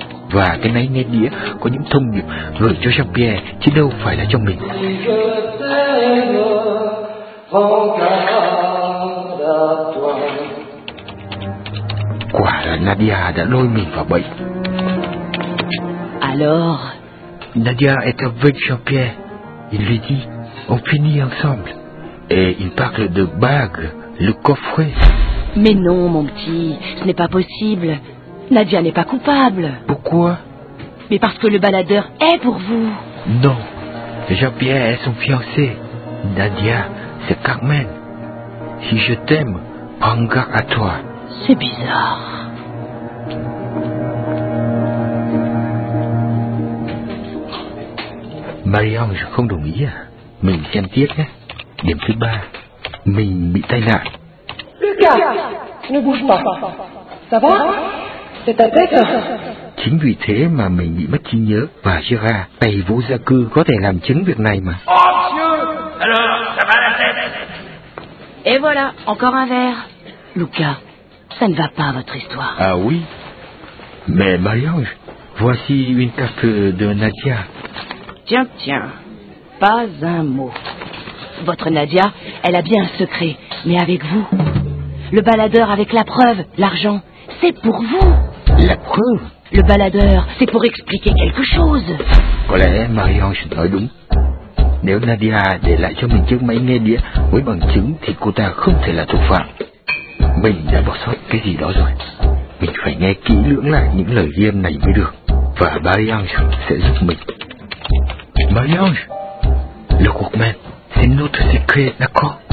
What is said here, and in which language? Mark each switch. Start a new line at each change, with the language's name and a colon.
Vietnamese: Và cái máy nghe đĩa có những thông điệp gửi cho Jean-Pierre, chứ đâu phải là cho mình. Quả là Nadia đã lôi mình vào bẫy.
French: Alors, Nadia est avec Jean-Pierre. Il lui dit, on finit ensemble. Et il parle de bague, le coffret. Mais non, mon petit, ce n'est pas possible. Nadia n'est pas coupable. Pourquoi? Mais parce que le baladeur est pour vous. Non, Jean-Pierre est son fiancé. Nadia, c'est Carmen. Si je t'aime, prends garde à toi. C'est bizarre.
Vietnamese: Marie-Ange không đồng ý à? Mình xem tiếp nhé. Điểm thứ ba, mình bị tai nạn.
French: Lucas, ne bouge pas. Ça va? C'est ta tête.
Vietnamese: Chính vì thế mà mình bị mất trí nhớ và Gérard, tay vô gia cư có thể làm chứng việc này mà.
French: Oh, monsieur. Alors, ça va la tête. Et voilà, encore un verre. Lucas, ça ne va pas votre histoire. Ah oui? Mais Marie-Ange, voici une carte de Nadia. Tiens, tiens, pas un mot. Votre Nadia, elle a bien un secret, mais avec vous. Le baladeur avec la preuve, l'argent, c'est pour vous. La preuve? Le baladeur, c'est pour expliquer quelque chose.
Vietnamese: Voilà, Marie-Ange, nói đúng. Nếu Nadia để lại cho mình chiếc máy nghe đĩa với bằng chứng thì cô ta không thể là thủ phạm. Mình đã bỏ sót cái gì đó rồi. Mình phải nghe kỹ lưỡng lại những lời ghi âm này mới được. Và Marie-Ange sẽ giúp mình.
French: Marie-Ange, le courtman, c'est notre secret, d'accord?